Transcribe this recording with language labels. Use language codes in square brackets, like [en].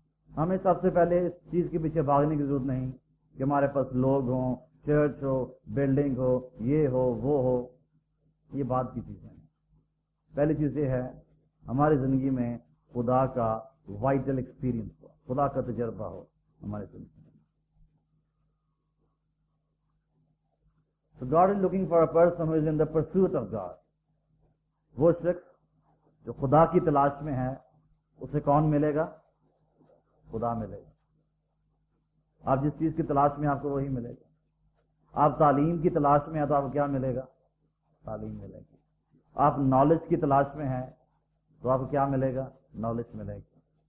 [ur] ہمیں سب سے پہلے اس چیز کے پیچھے بھاگنے کی ضرورت نہیں کہ ہمارے پاس لوگ ہوں, چرچ ہو, بلڈنگ ہو, یہ ہو, وہ ہو, یہ بات کی چیزیں ہیں. پہلی چیز یہ ہے ہماری زندگی میں خدا کا وائٹل ایکسپیرینس ہو, خدا کا تجربہ ہو ہمارے زندگی میں. [en] So God is looking for a person who is in the pursuit of God. [ur] وہ شخص جو خدا کی تلاش میں ہے اسے کون ملے گا؟ خدا ملے گا. آپ جس چیز کی تلاش میں آپ کو وہی ملے گا. آپ تعلیم کی تلاش میں ہیں تو آپ کو کیا ملے گا؟ تعلیم ملے گی. آپ نالج کی تلاش میں ہیں تو آپ کو کیا ملے گا؟ نالج ملے گی.